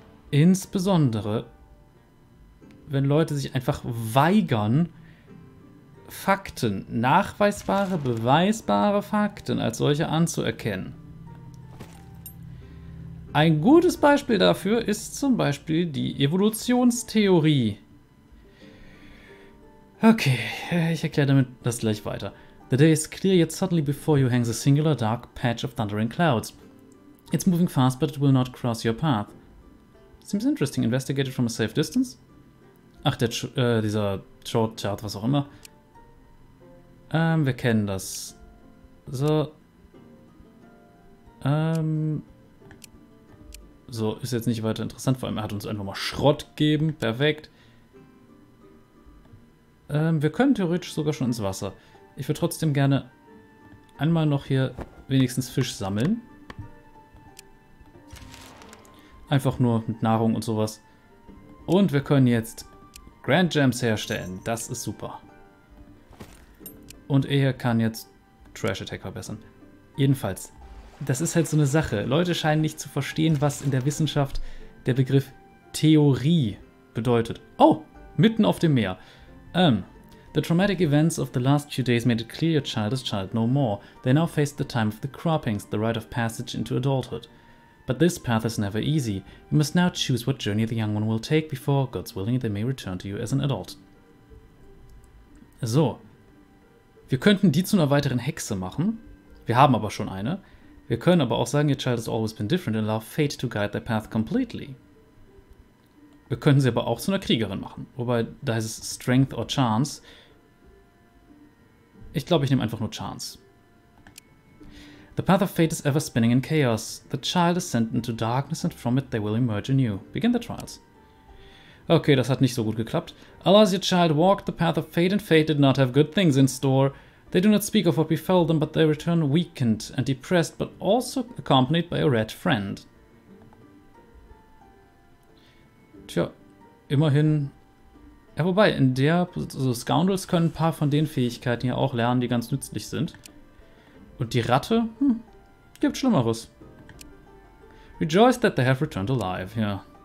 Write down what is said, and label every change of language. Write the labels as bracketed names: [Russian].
[German] Insbesondere, wenn Leute sich einfach weigern, Fakten, nachweisbare, beweisbare Fakten als solche anzuerkennen. Ein gutes Beispiel dafür ist zum Beispiel die Evolutionstheorie. Okay, ich erkläre damit das gleich weiter. [English] The day is clear, yet suddenly before you hangs a singular dark patch of thundering clouds. It's moving fast, but it will not cross your path. Seems interesting. Investigate it from a safe distance. [German] Ach, der dieser Chort Chart, was auch immer. Wir kennen das. So. So, ist jetzt nicht weiter interessant, vor allem er hat uns einfach mal Schrott gegeben. Perfekt. Wir können theoretisch sogar schon ins Wasser. Ich würde trotzdem gerne einmal noch hier wenigstens Fisch sammeln. Einfach nur mit Nahrung und sowas. Und wir können jetzt Grand Gems herstellen. Das ist super. Und er kann jetzt Trash Attack verbessern. Jedenfalls. Das ist halt so eine Sache. Leute scheinen nicht zu verstehen, was in der Wissenschaft der Begriff Theorie bedeutet. Oh, mitten auf dem Meer. [English] The traumatic events of the last few days made it clear your child is child no more. They now face the time of the croppings, the rite of passage into adulthood. But this path is never easy. You must now choose what journey the young one will take before, God's willing, they may return to you as an adult. So. [German] Wir könnten die zu einer weiteren Hexe machen. Wir haben aber schon eine. Wir können aber auch sagen, [English] your child has always been different and allow fate to guide their path completely. [German] Wir könnten sie aber auch zu einer Kriegerin machen. Wobei, da ist es Strength or Chance. Ich glaube, ich nehme einfach nur Chance. [English] The path of fate is ever spinning in chaos. The child is sent into darkness and from it they will emerge anew. Begin the trials. [German] Okay, das hat nicht so gut geklappt. [English] Alas, your child walked the path of fate and fate did not have good things in store. They do not speak of what befell them, but they return weakened and depressed, but also accompanied by a red friend. [German] Tja, immerhin. Ja, wobei, in der Position, also Scoundrels können ein paar von den Fähigkeiten ja auch lernen, die ganz nützlich sind. Und die Ratte, gibt Schlimmeres. [English] Rejoice that they have returned alive, [German] ja.